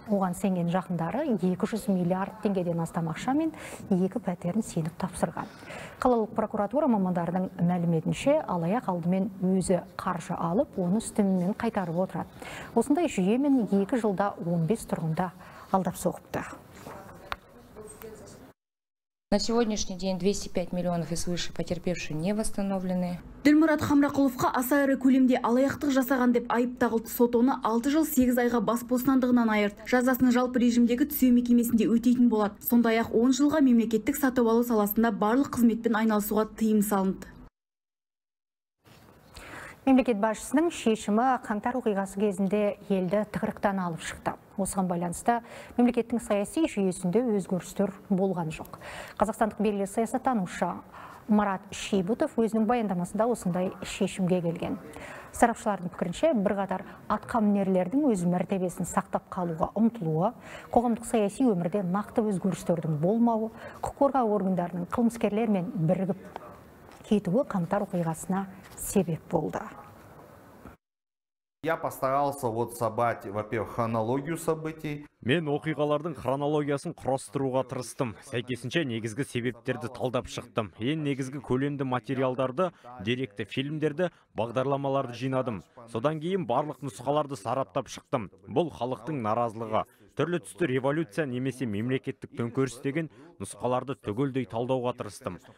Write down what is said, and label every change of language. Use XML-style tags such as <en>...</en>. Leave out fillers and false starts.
<kk>Оған сенген жақындары 200 миллиард теңгеден астам ақша мен екі пәтерін сеніп тапсырған. Қалалық прокуратура мамандарының мәліметінше алаяқ алдымен өзі қаржы алып, оны үстемемен қайтарып отырады. Осындай жүйемен 2 жылда 15 тұрғында алдап соғыпты.</kk> <ru>На сегодняшний день 205 миллионов и свыше потерпевшие не восстановлены.</ru> <kk>Дүлмұрат Хамрақұловқа аса ірі көлемде алаяқтық жасаған деп айып тағылды. Сот оны 6 жыл 8 айға бас бостандығынан айырды. Жазасын жалпы режимдегі түзеу мекемесінде өтейтін болады. Сондай-ақ 10 жылға мемлекеттік сатып алу саласында барлық қызметпен айналысуға тыйым салынды. Мемлекет басшысының шешімі қаңтар оқиғасы кезінде елді тығырықтан алып шықты. Осыған байланысты мемлекеттің саяси жүйесінде өзгерістер болған жоқ. Қазақстандық белгілі саясаттанушы Марат Шейбутов өзінің баяндамасында осындай шешімге келген. Сарапшылардың пікірінше, бірқатар атқамінерлердің өз мәртебесін сақтап қалуға ұмтылуы, қоғамдық саяси өмірде нақты өзгерістердің болмауы, құқық қорғау органдарының қылмыскерлермен бірігіп кетуі қаңтар оқиғасына себеп болды.</kk> <ru>Я постарался вот собрать, во-первых, хронологию событий.</ru> <kk>Мен оқиғалардың хронологиясын құрастыруға тырыстым. Сәйкесінше негізгі себептерді талдап шықтым. Ең негізгі көлемді материалдарды, деректі фильмдерді, бағдарламаларды жинадым. Содан кейін барлық нұсқаларды сараптап шықтым. Бұл халықтың наразылығы. Түрлі түсті революция немесе мемлекеттік төңкеріс деген нұсқаларды түгелдей талдауға тырыстым.</kk>